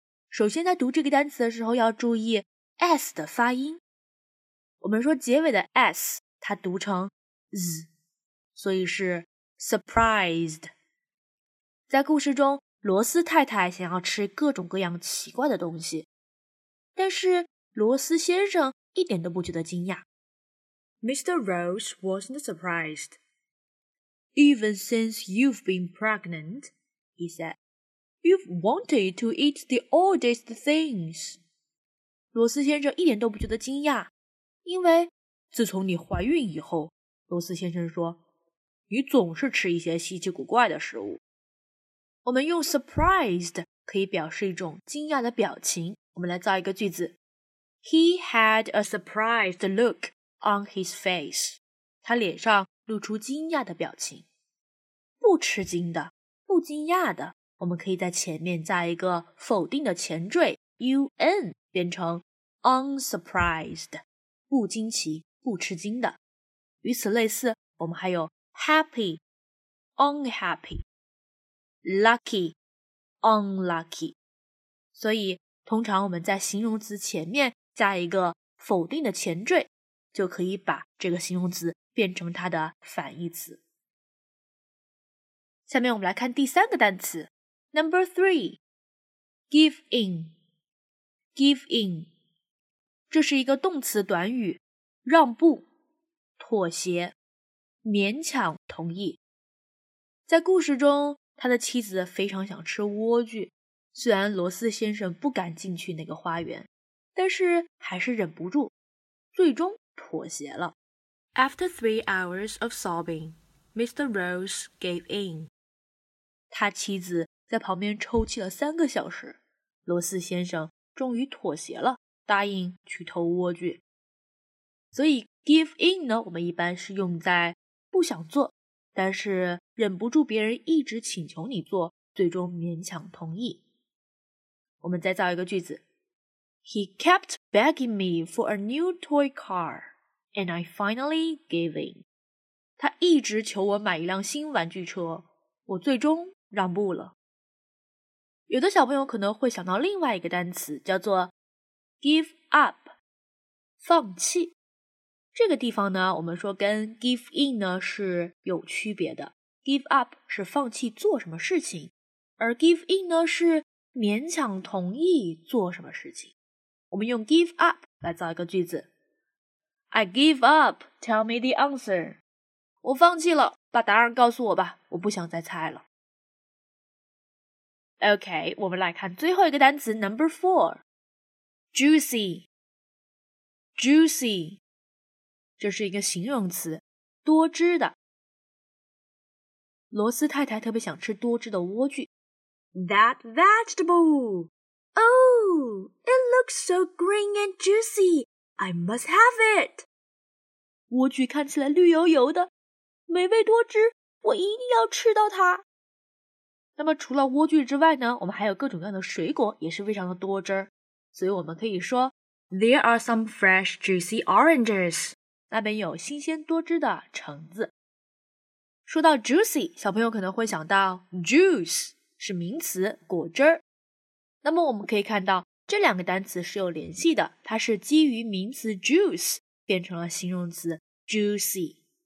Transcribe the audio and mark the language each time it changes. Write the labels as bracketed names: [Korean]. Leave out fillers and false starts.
[Chinese] 首先，在读这个单词的时候要注意S 的发音，我们说结尾的 S 它读成 z， 所以是 surprised。在故事中，罗斯太太想要吃各种各样奇怪的东西，但是罗斯先生一点都不觉得惊讶。 [English] Mr. Rose wasn't surprised even since you've been pregnant, he said. You've wanted to eat the oddest things. [Chinese] 罗斯先生一点都不觉得惊讶，因为自从你怀孕以后，罗斯先生说，你总是吃一些稀奇古怪的食物。我们用 surprised 可以表示一种惊讶的表情。我们来造一个句子。 [English] He had a surprised look on his face. [Chinese] 他脸上露出惊讶的表情。不吃惊的，不惊讶的，我们可以在前面加一个否定的前缀 un。变成 unsurprised， 不惊奇，不吃惊的。与此类似，我们还有 happy， unhappy， lucky， unlucky。所以通常我们在形容词前面加一个否定的前缀，就可以把这个形容词变成它的反义词。下面我们来看第三个单词 [English] Number three， [Chinese] Give in， 这是一个动词短语，让步、妥协、勉强同意。在故事中，他的妻子非常想吃莴苣，虽然罗斯先生不敢进去那个花园，但是还是忍不住，最终妥协了。 [English] After 3 hours of sobbing, Mr. Rose gave in. [Chinese] 他妻子在旁边抽泣了3个小时，罗斯先生终于妥协了，答应去偷莴苣。所以 give in 呢，我们一般是用在不想做，但是忍不住别人一直请求你做，最终勉强同意。我们再造一个句子。 [English] He kept begging me for a new toy car, and I finally gave in. [Chinese] 他一直求我买一辆新玩具车，我最终让步了。有的小朋友可能会想到另外一个单词，叫做 give up, 放弃。这个地方呢，我们说跟 give in 呢是有区别的。 give up 是放弃做什么事情，而 give in 呢是勉强同意做什么事情。我们用 give up 来造一个句子。 [English] I give up, tell me the answer. [Chinese] 我放弃了，把答案告诉我吧，我不想再猜了。 OK, 我们来看最后一个单词 , [English] number four, [Chinese] juicy, juicy. 这是一个形容词，多汁的。罗斯太太特别想吃多汁的莴苣。 [English] That vegetable! Oh, it looks so green and juicy! I must have it! [Chinese] 莴苣看起来绿油油的，美味多汁，我一定要吃到它。那么除了莴苣之外呢，我们还有各种各样的水果也是非常的多汁。所以我们可以说 [English] There are some fresh juicy oranges. [Chinese] 那边有新鲜多汁的橙子。说到 juicy, 小朋友可能会想到 juice, 是名词果汁。那么我们可以看到这两个单词是有联系的，它是基于名词 juice 变成了形容词 juicy。